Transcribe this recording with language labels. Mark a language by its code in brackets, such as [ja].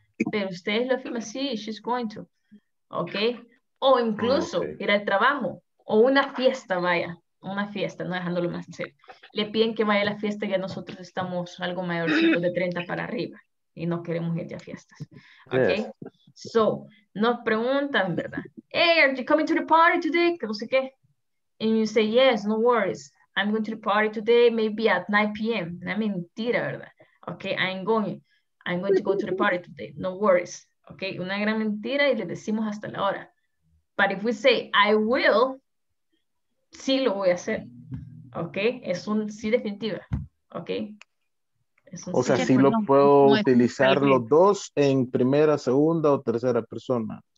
[es] Pero ustedes lo afirman, sí, [en] she's going to. [es] ¿Ok? O incluso ir al trabajo. O una fiesta, vaya. Una fiesta, no dejándolo más en serio. Le piden que vaya a la fiesta, ya nosotros estamos algo mayorcito de 30 para arriba. Y no queremos ir ya a fiestas. ¿Ok? [en] Yes. So, [es] nos preguntan, ¿verdad? [en] Hey, are you coming to the party today? [es] Que no sé qué. [en] And you say, yes, no worries. I'm going to the party today, maybe at 9 p.m. [es] Una mentira, ¿verdad? [en] Okay, I'm going to go to the party today. No worries. [es] Okay, una gran mentira y le decimos hasta la hora. [en] But if we say, I will, [es] sí lo voy a hacer. Okay, es un sí definitiva. Okay. O sea, sí lo puedo utilizar los dos en primera, segunda o tercera persona.